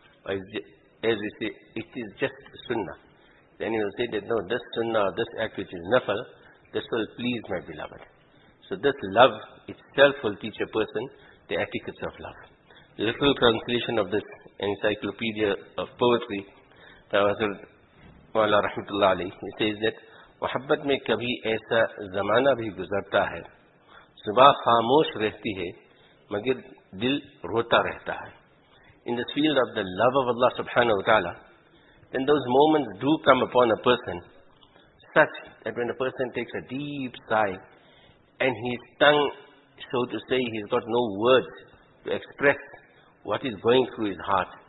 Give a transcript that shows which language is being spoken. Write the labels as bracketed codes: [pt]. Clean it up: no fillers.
[en] As we say, it is just sunnah. Then he will say that no, this sunnah, this act which is nafal, this will please my beloved. So this love itself will teach a person the etiquettes of love. A little translation of this encyclopedia of poetry that was Mawla Rahmatullah Ali. He says that [ur] محبت میں کبھی ایسا زمانہ بھی گزرتا ہے صبح خاموش رہتی ہے مگر دل روتا رہتا ہے. [en] In this field of the love of Allah subhanahu wa ta'ala, then those moments do come upon a person such that when a person takes a deep sigh and his tongue, so to say, he's got no words to express what is going through his heart.